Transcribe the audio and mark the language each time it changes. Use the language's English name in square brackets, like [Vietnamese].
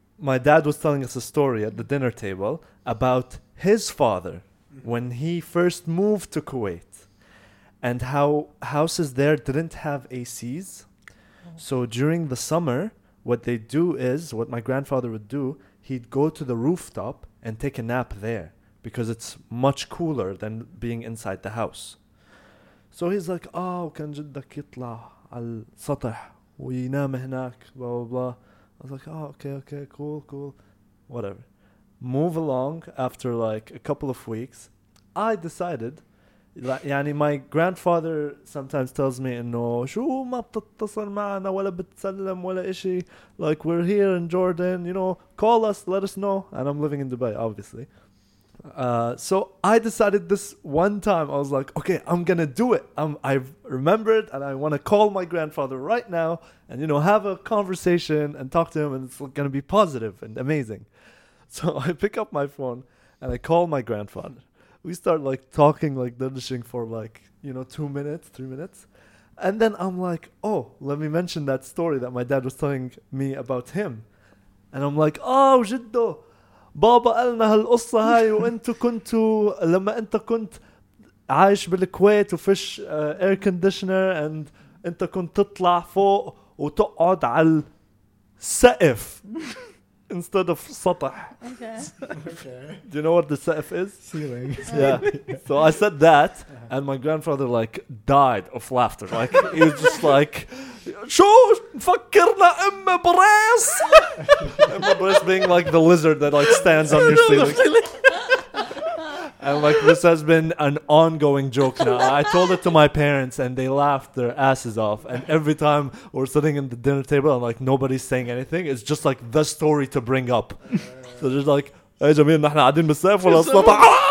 [English] My dad was telling us a story at the dinner table about his father when he first moved to Kuwait and how houses there didn't have ACs. So during the summer, what my grandfather would do, he'd go to the rooftop and take a nap there because it's much cooler than being inside the house. So he's like, oh, [Arabic] كان جدك يطلع على السطح وينام هناك, [English] blah, blah, blah. I was like, oh, okay, cool, whatever. Move along after like a couple of weeks. I decided, يعني my grandfather sometimes tells me, no, [Arabic] شو ما بتتصل معنا ولا بتسلم ولا إشي. [English] Like, we're here in Jordan, you know, call us, let us know. And I'm living in Dubai, obviously. So I decided this one time, I was like, okay, I'm going to do it. I've remembered and I want to call my grandfather right now and, you know, have a conversation and talk to him and it's going to be positive and amazing. So I pick up my phone and I call my grandfather. We start like talking, like dishing for like, you know, 2 minutes, 3 minutes. And then I'm like, oh, let me mention that story that my dad was telling me about him. And I'm like, oh, جدو. [Arabic] بابا قالنا هالقصة هاي وانتو كنتو لما انت كنت عايش بالكويت وفيش [English] air conditioner and [Arabic] انت كنت تطلع فوق وتقعد على السقف [English] instead of [Arabic] سطح. [English] Okay. Do you know what the سقف is? Ceiling. Yeah. So I said that and my grandfather like died of laughter. Like he was just like, [Arabic] شو فكرنا ام براس, [English] ام براس being like the lizard that like stands on your ceiling. And like this has been an ongoing joke now. I told it to my parents and they laughed their asses off. And every time we're sitting in the dinner table and like nobody's saying anything, it's just like the story to bring up. So just like, hey Jamil, [Arabic] نحن قاعدين بالسيف ولا السطح.